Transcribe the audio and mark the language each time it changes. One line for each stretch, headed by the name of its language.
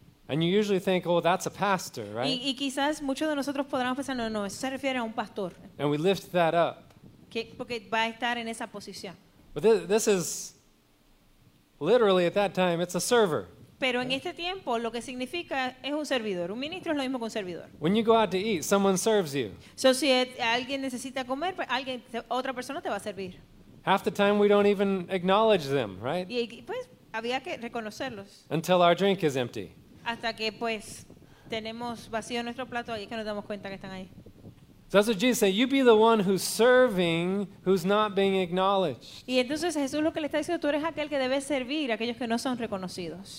English: And you usually think, oh, that's a pastor, right?
Spanish: Y quizás muchos de nosotros podríamos pensar, no, eso se refiere a un pastor.
English: And we lift that up.
Spanish: Que porque va a estar en esa posición.
English: But this is literally at that time, it's a server.
Spanish: Pero en este tiempo lo que significa es un servidor. Un ministro es lo mismo que un servidor.
English: When you go out to eat, someone serves you.
Spanish: So si alguien necesita comer, otra persona te va a servir.
English: Half the time we don't even acknowledge them, right?
Spanish: Y pues había que reconocerlos.
English: Until our drink is empty.
Spanish: Hasta que pues tenemos vacío nuestro plato y es que nos damos cuenta que están ahí.
English: So that's what Jesus said. You be the one who's serving, who's not being acknowledged.
Spanish: Y entonces Jesús lo que le está diciendo, tú eres aquel que debe servir a aquellos que no son reconocidos.